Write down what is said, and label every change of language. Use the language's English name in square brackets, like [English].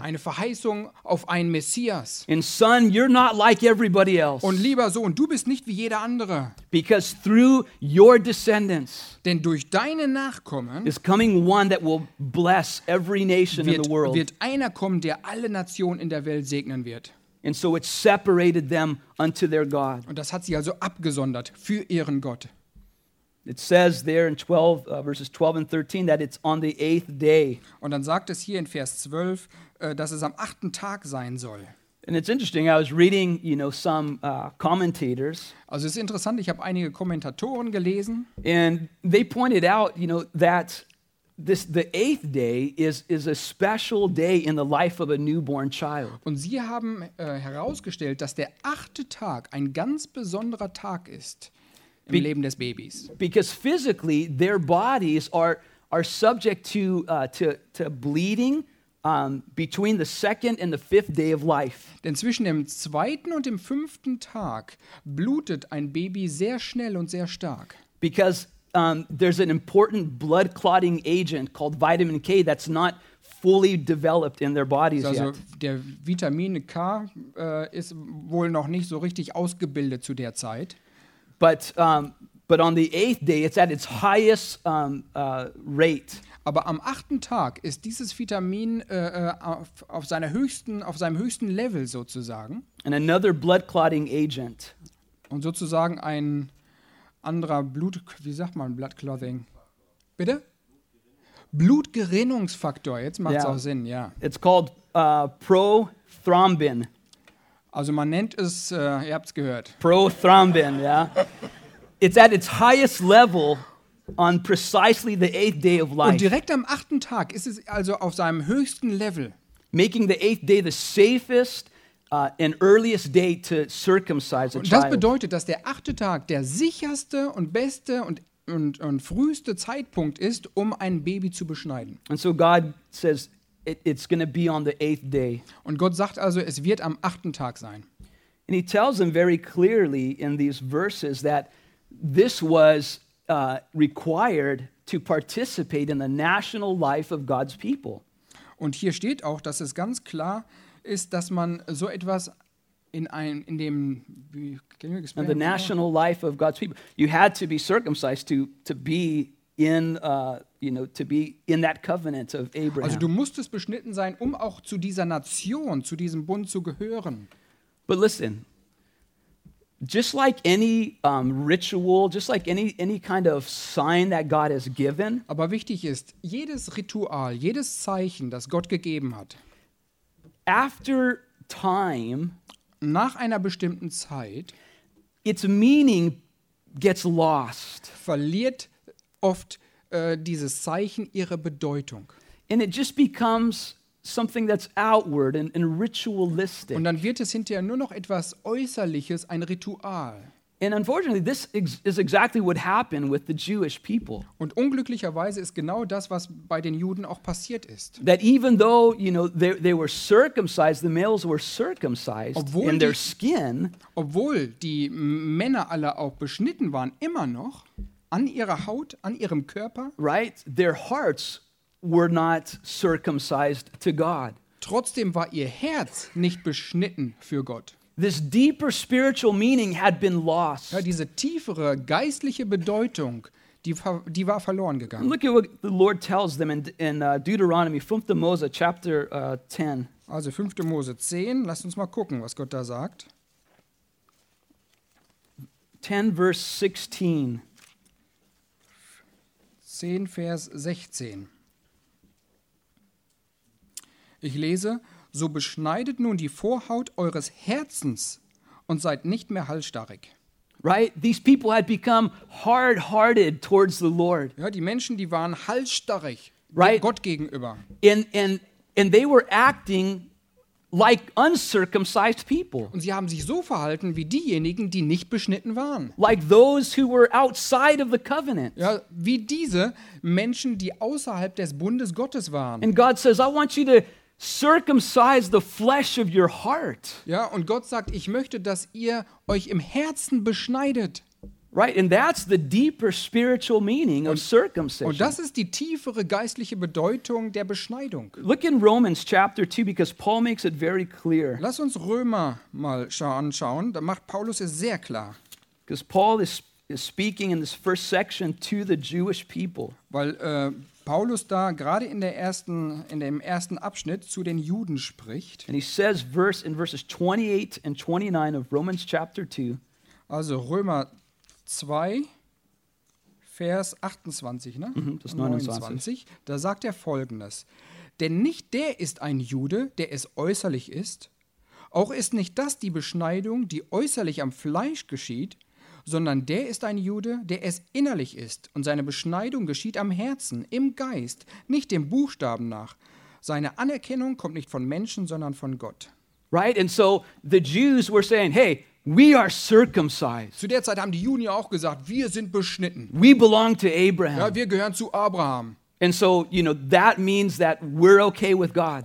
[German] Eine Verheißung auf einen Messias. [English] And son, you're not like everybody else. [German] Und lieber Sohn, du bist nicht wie jeder andere. [English] Because through your descendants, [German] denn durch deine Nachkommen, [English] is coming one that will bless every nation in the world. [German] Wird einer kommen, der alle Nationen in der Welt segnen wird. [English] And so it separated them unto their God. [German] Und das hat sie also abgesondert für ihren Gott. [English] It says there in 12 verses 12 and 13 that it's on the eighth day. [German] Und dann sagt es hier in Vers 12, dass es am achten Tag sein soll. [English] And it's interesting, I was reading, you know, some commentators. [German] Also es ist interessant, ich habe einige Kommentatoren gelesen. [English] And they pointed out, you know, that this, the eighth day is a special day in the life of a newborn child. [German] Und sie haben herausgestellt, dass der achte Tag ein ganz besonderer Tag ist im Leben des Babys. [English] Because physically their bodies are subject to bleeding between the second and the fifth day of life. [German] Denn zwischen dem zweiten und dem fünften Tag blutet ein Baby sehr schnell und sehr stark. [English] Because there's an important blood clotting agent called vitamin K that's not fully developed in their bodies also yet. [German] Der Vitamin K ist wohl noch nicht so richtig ausgebildet zu der Zeit. [English] But on the eighth day it's at its highest rate. [German] Aber am achten Tag ist dieses Vitamin auf seinem höchsten Level sozusagen. [English] And another blood clotting agent. [German] Und sozusagen ein anderer Blut, wie sagt man, [English] Blood Clothing? [German] Bitte? Blutgerinnungsfaktor, jetzt macht es auch Sinn, ja. [English] It's called Prothrombin. [German] Also man nennt es, ihr habt es gehört. Prothrombin, ja. [English] Yeah. It's at its highest level on precisely the eighth day of life. [German] Und direkt am achten Tag ist es also auf seinem höchsten Level. [English] Making the eighth day the safest an earliest day to circumcise a child. [German] Das bedeutet, dass der achte Tag der sicherste und beste und früheste Zeitpunkt ist, um ein Baby zu beschneiden. [English] And so God says it's going to be on the eighth day. [German] Und Gott sagt also, es wird am achten Tag sein. [English] And he tells them very clearly in these verses that this was required to participate in the national life of God's people. [German] Und hier steht auch, dass es ganz klar ist, dass man so etwas in dem [English] can you explain the national life of God's people, you had to be circumcised to be in to be in that covenant of Abraham. [German] Also du musstest beschnitten sein, um auch zu dieser Nation, zu diesem Bund zu gehören. [English] But listen, just like any ritual, just like any kind of sign that God has given, [German] aber wichtig ist, jedes Ritual, jedes Zeichen, das Gott gegeben hat, [English] after time, [German] nach einer bestimmten Zeit, [English] its meaning gets lost. [German] Verliert oft dieses Zeichen ihre Bedeutung. [English] And it just becomes something that's outward and ritualistic. [German] Und dann wird es hinterher nur noch etwas Äußerliches, ein Ritual. [English] And unfortunately, this is exactly what happened with the Jewish people. [German] Und unglücklicherweise ist genau das, was bei den Juden auch passiert ist. [English] That even though, you know, they were circumcised, the males were circumcised in their skin. [German] Obwohl die Männer alle auch beschnitten waren, immer noch an ihrer Haut, an ihrem Körper. [English] Right, their hearts were not circumcised to God. [German] Trotzdem war ihr Herz nicht beschnitten für Gott. [English] This deeper spiritual meaning had been lost. [German] Ja, diese tiefere geistliche Bedeutung, die war verloren gegangen. [English] Look at what the Lord tells them in Deuteronomy 5. Mose chapter 10. [German] Also 5. Mose 10, lasst uns mal gucken, was Gott da sagt. [English] 10 verse 16. [German] 10 Vers 16. Ich lese: So beschneidet nun die Vorhaut eures Herzens und seid nicht mehr halsstarrig. [English] Right? These people had become hard-hearted towards the Lord. [German] Ja, die Menschen, die waren halsstarrig, [English] right? [German] Gott gegenüber. [English] And they were acting like uncircumcised people. [German] Und sie haben sich so verhalten wie diejenigen, die nicht beschnitten waren. [English] Like those who were outside of the covenant. [German] Ja, wie diese Menschen, die außerhalb des Bundes Gottes waren. [English] And God says, I want you to circumcise the flesh of your heart. [German] Ja, und Gott sagt, ich möchte, dass ihr euch im Herzen beschneidet. [English] Right, and that's the deeper spiritual meaning of circumcision. [German] Und das ist die tiefere geistliche Bedeutung der Beschneidung. [English] Look in Romans chapter 2 because Paul makes it very clear. [German] Lass uns Römer mal anschauen, da macht Paulus es sehr klar. [English] Because Paul is speaking in this first section to the Jewish people. [German] Weil Paulus da gerade in dem ersten Abschnitt zu den Juden spricht. [English] And he says in verses 28 and 29 of Romans chapter 2. [German] Also Römer 2, Vers 28, ne? Das 29. Da sagt er Folgendes: Denn nicht der ist ein Jude, der es äußerlich ist, auch ist nicht das die Beschneidung, die äußerlich am Fleisch geschieht, sondern der ist ein Jude, der es innerlich ist, und seine Beschneidung geschieht am Herzen, im Geist, nicht dem Buchstaben nach. Seine Anerkennung kommt nicht von Menschen, sondern von Gott. [English] Right, and so the Jews were saying, hey, we are circumcised. [German] Zu der Zeit haben die Juden ja auch gesagt, wir sind beschnitten. [English] We belong to Abraham. [German] Ja, wir gehören zu Abraham. [English] And so, you know, that means that we're okay with God.